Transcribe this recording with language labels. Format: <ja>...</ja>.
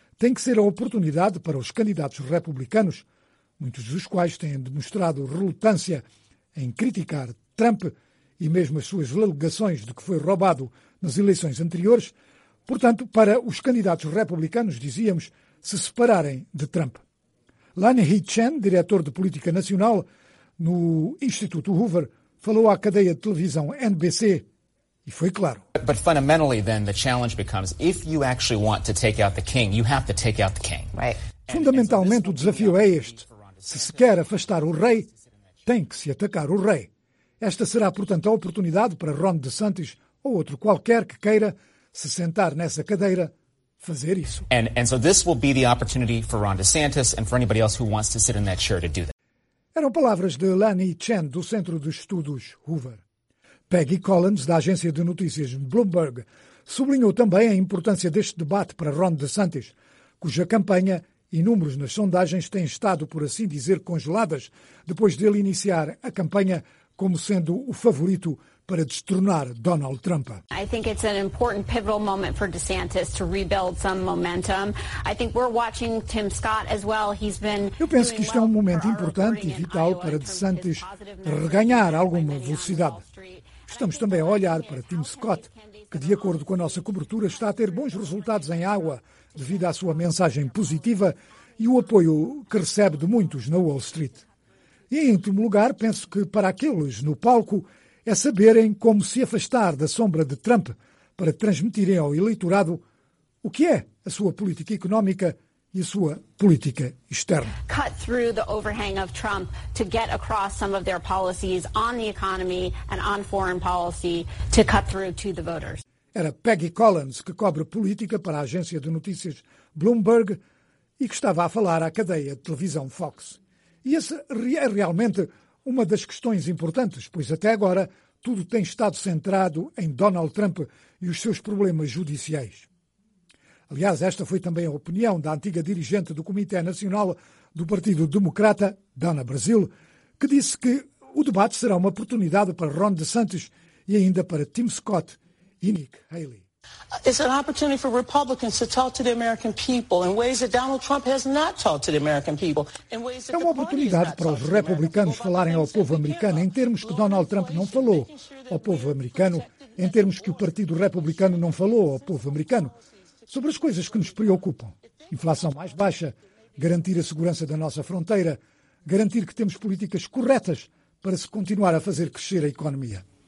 <pt>tem que ser a oportunidade para os candidatos republicanos, muitos dos quais têm demonstrado relutância em criticar Trump e mesmo as suas alegações de que foi roubado nas eleições anteriores, portanto, para os candidatos republicanos, dizíamos, se separarem de Trump. Lan He Chen, diretor de Política Nacional no Instituto Hoover, falou à cadeia de televisão NBC e foi claro.</pt> <en>But fundamentally then the challenge becomes if you actually want to take out the king, you have to take out the king. Right.</en> <pt>Fundamentalmente o desafio é este. Se se quer afastar o rei, tem que se atacar o rei. Esta será, portanto, a oportunidade para Ron DeSantis ou outro qualquer que queira se sentar nessa cadeira fazer isso.</pt> <en>And so this will be the opportunity for Ron DeSantis and for anybody else who wants to sit in that chair to do that.</en> <pt>Eram palavras de Lani Chen, do Centro de Estudos Hoover. Peggy Collins, da agência de notícias Bloomberg, sublinhou também a importância deste debate para Ron DeSantis, cuja campanha e números nas sondagens têm estado, por assim dizer, congeladas, depois dele iniciar a campanha como sendo o favorito para destronar Donald Trump.</pt> <en>I think it's an important pivotal moment for DeSantis to rebuild some momentum. I think we're watching Tim Scott as well. He's been.</en> <pt>Eu penso que isto é um momento importante e vital para DeSantis reganhar alguma velocidade. Estamos também a olhar para Tim Scott, que de acordo com a nossa cobertura está a ter bons resultados em Iowa devido à sua mensagem positiva e o apoio que recebe de muitos na Wall Street. E em último lugar, penso que para aqueles no palco é saberem como se afastar da sombra de Trump para transmitirem ao eleitorado o que é a sua política económica e a sua política externa.</pt> <en>Cut through the overhang of Trump to get across some of their policies on the economy and on foreign policy to cut through to the voters.</en> <pt>Era Peggy Collins, que cobre política para a agência de notícias Bloomberg e que estava a falar à cadeia de televisão Fox. E essa é realmente uma das questões importantes, pois até agora tudo tem estado centrado em Donald Trump e os seus problemas judiciais. Aliás, esta foi também a opinião da antiga dirigente do Comitê Nacional do Partido Democrata, Donna Brazile, que disse que o debate será uma oportunidade para Ron DeSantis e ainda para Tim Scott e Nick Haley.</pt> <en>It's an opportunity for Republicans to talk to the American people in ways that Donald Trump has not talked to the American people.</en> <pt>É uma oportunidade para os republicanos falarem ao povo americano em termos que Donald Trump não falou ao povo americano, em termos que o Partido Republicano não falou ao povo americano, sobre as coisas que nos preocupam. Inflação mais baixa, garantir a segurança da nossa fronteira, garantir que temos políticas corretas para se continuar a fazer crescer a economia.</pt>